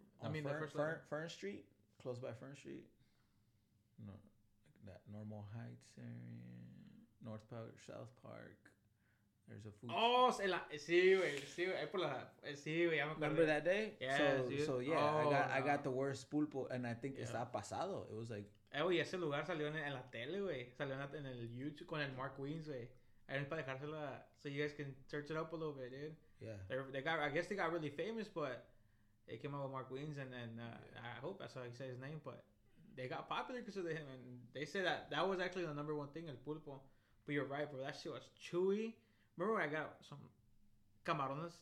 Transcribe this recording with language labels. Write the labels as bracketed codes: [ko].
[en] Remember, Fern Street? Close by Fern Street? No. That Normal Heights area, North Park, South Park. There's a food. Remember that day? Yeah, I got the worst pulpo, and I think [es] está pasado. [en] It was like. [es] Oye, ese lugar salió en la tele, güey. Salió en el YouTube con el Mark Wiens, güey. [en] I didn't put it so you guys can search it up a little bit, dude. Yeah. I guess they got really famous, but it came out with Mark Wiens, and then I hope that's how you say his name, but. They got popular because of him, and they said that was actually the number one thing, el pulpo. But you're right, bro. That shit was chewy. Remember when I got some camarones?